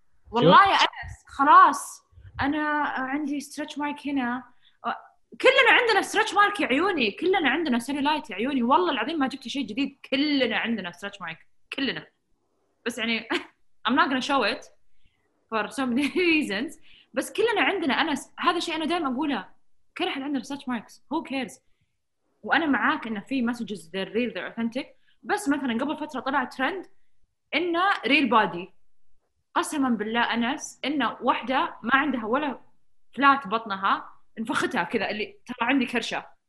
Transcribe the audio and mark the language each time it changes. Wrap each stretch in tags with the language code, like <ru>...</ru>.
<ar>والله يا أنس خلاص أنا عندي stretch mark هنا، كلنا عندنا stretch mark يا عيوني، كلنا عندنا cellulite يا عيوني، والله العظيم ما جبت شيء جديد، كلنا عندنا stretch mark كلنا. بس يعني</ar> <en>I'm not gonna show it for so many reasons.</en> <ar>بس كلنا عندنا أنس هذا الشيء، أنا دائما أقوله كل أحد عنده stretch marks</ar> <en>who cares.</en> <ar>وأنا معاك إن في messages</ar> <en>they're real they're authentic،</en> <ar>بس مثلا قبل فترة طلع ترند إنه real body، قسما بالله أنس إنه واحدة ما عندها ولا فلات بطنها انفختها كذا اللي ترى عندي كرشة.</ar>